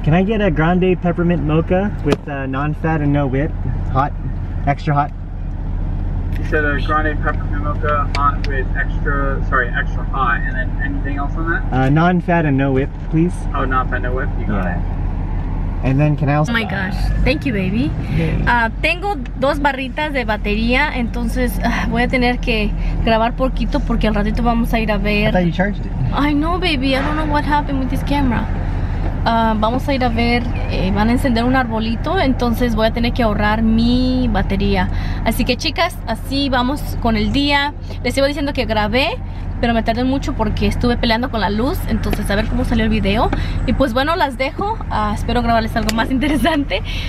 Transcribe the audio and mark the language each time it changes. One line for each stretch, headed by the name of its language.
English: Can I get a grande peppermint mocha with non-fat and no whip? Hot. Extra hot. You said a grande peppermint mocha hot with extra hot, and then anything else on that? Non-fat and no whip, please. Oh, non-fat, no whip, you got it. And then can I also... Oh my gosh, thank you, baby.
Spanish: Tengo dos barritas de batería, entonces voy a tener que grabar poquito porque al ratito vamos a ir a ver...
English: I thought you charged it. I know, baby, I don't know what happened with this camera.
Spanish: Vamos a ir a ver, van a encender un arbolito, entonces voy a tener que ahorrar mi batería. Así que chicas, así vamos con el día. Les iba diciendo que grabé, pero me tardé mucho porque estuve peleando con la luz. Entonces a ver cómo salió el video. Y pues bueno, las dejo, espero grabarles algo más interesante.